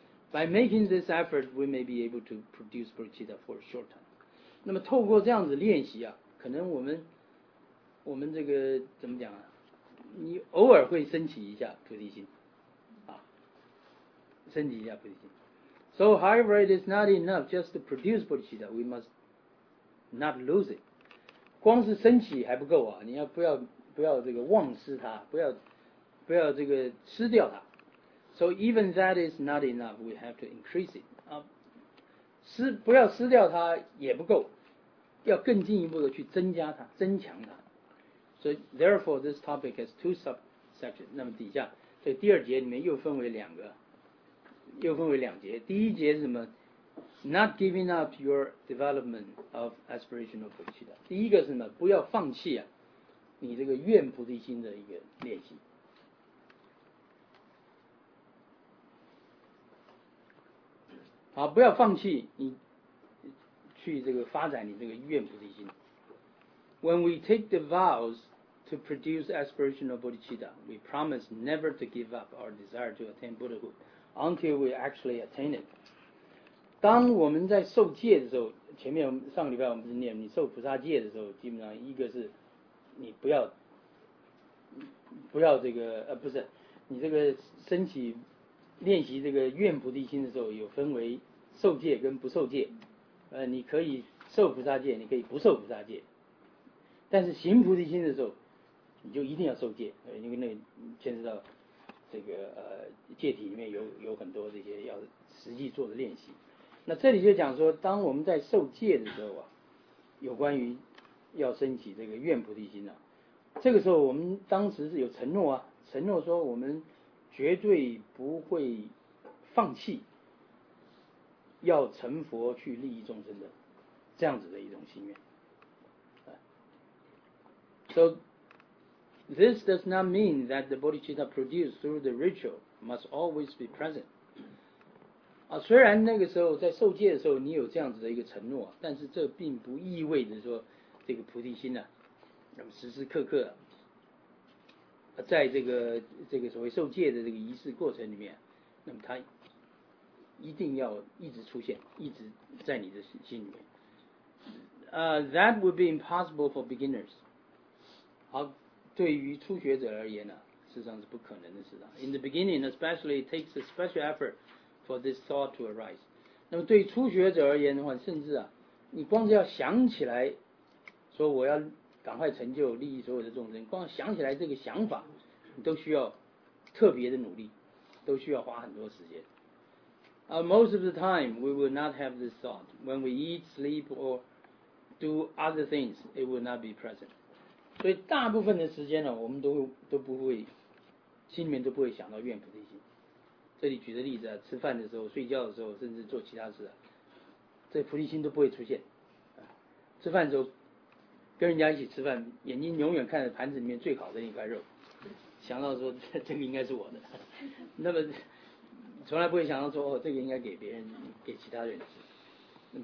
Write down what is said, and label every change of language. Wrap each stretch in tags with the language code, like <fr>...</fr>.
<en>By making this effort, we may be able to produce bodhicitta for a short time.</en> <zh>那么透过这样子练习啊，可能我们这个怎么讲啊？你偶尔会升起一下菩提心，升起一下菩提心。</zh> <en>So, however, it is not enough just to produce bodhicitta. We must not lose it.</en> <zh>光是升起还不够啊！你要不要这个忘失它，不要这个吃掉它。</zh> <en>So even that is not enough. We have to increase it.</en> <zh>不要失掉它也不够，要更进一步的去增加它，增强它。</zh> <en>So therefore, this topic has two subsections.</en> <zh>那么底下这第二节里面又分为两个。又分为两节，第一节是什么 ？</zh> <en>Not giving up your development of aspirational bodhicitta。</en> <zh>第一个是什么？不要放弃啊，你这个愿菩提心的一个练习。好，不要放弃你去这个发展你这个愿菩提心。</zh> <en>When we take the vows to produce aspirational bodhicitta, we promise never to give up our desire to attain Buddhahood. Until we actually attain it.</en> <zh>当我们在受戒的时候，前面上个礼拜我们不是念，你受菩萨戒的时候，基本上一个是你不要这个不是你这个升起练习这个愿菩提心的时候，有分为受戒跟不受戒。你可以受菩萨戒，你可以不受菩萨戒，但是行菩提心的时候，你就一定要受戒，因为那牵涉到。这个戒体里面有很多这些要实际做的练习，那这里就讲说，当我们在受戒的时候啊，有关于要升起这个愿菩提心啊，这个时候我们当时是有承诺啊，承诺说我们绝对不会放弃要成佛去利益众生的这样子的一种心愿。</zh> <en>So,This does not mean that the bodhicitta produced through the ritual must always be present.</en> <zh>虽然那个时候在受戒的时候你有这样子的一个承诺，但是这并不意味着说这个菩提心啊，时时刻刻在这个所谓受戒的这个仪式过程里面，那么它一定要一直出现，一直在你的心里面。</zh> <en>That would be impossible for beginners. 好。</en> <zh>对于初学者而言呢，实际上是不可能的事的。</zh> <en>In the beginning, especially, it takes a special effort for this thought to arise.</en> <zh>那么对于初学者而言的话，甚至啊，你光是要想起来，说我要赶快成就利益所有的众生，光想起来这个想法，你都需要特别的努力，都需要花很多时间。</zh> <en>Most of the time, we will not have this thought. When we eat, sleep, or do other things, it will not be present.</en> <zh>所以大部分的时间呢，我们都不会，心里面都不会想到愿菩提心。这里举的例子啊，吃饭的时候、睡觉的时候，甚至做其他事啊，这菩提心都不会出现。吃饭的时候，跟人家一起吃饭，眼睛永远看着盘子里面最好的那块肉，想到说这个应该是我的，那么从来不会想到说哦，这个应该给别人、给其他人吃。</zh>